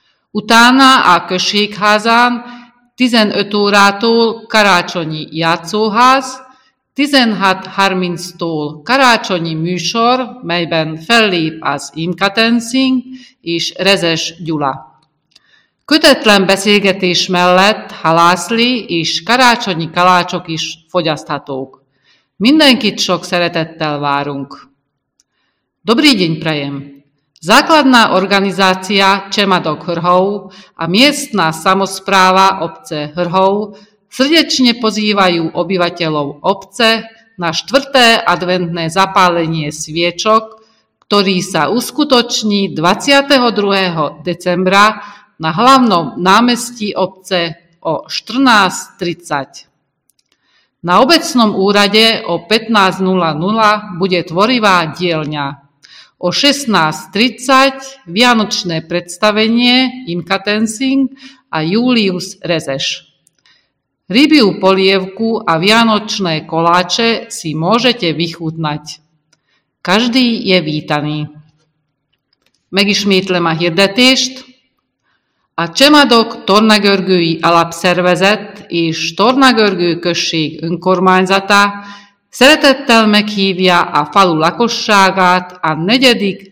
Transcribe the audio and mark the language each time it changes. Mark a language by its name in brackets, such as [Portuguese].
[Hungarian] Utána a községházán 15 órától karácsonyi játszóház, 16:30-tól karácsonyi műsor, melyben fellép az Imka Tenzing és Rezes Gyula. Kötetlen beszélgetés mellett halászlé és karácsonyi kalácsok is fogyaszthatók. Mindenkit sok szeretettel várunk. [Slovak] Dobrý deň prajem! Základná organizácia Čemadok Hrhov a miestna samospráva obce Hrhov srdečne pozývajú obyvateľov obce na 4. adventné zapálenie sviečok, ktorý sa uskutoční 22. decembra na hlavnom námestí obce o 14:30. Na obecnom úrade o 15:00 bude tvorivá dielňa. O 16:30 vianočné predstavenie Imka Tenzing a Julius Rezes. Rybiu polievku a vianočné koláče si môžete vychutnať. Každý je vítaný. [Hungarian] Megismétlem a hirdetést. A Csemadok tornagörgői alapszervezet és Tornagörgő község önkormányzata szeretettel meghívja a falu lakosságát a 4.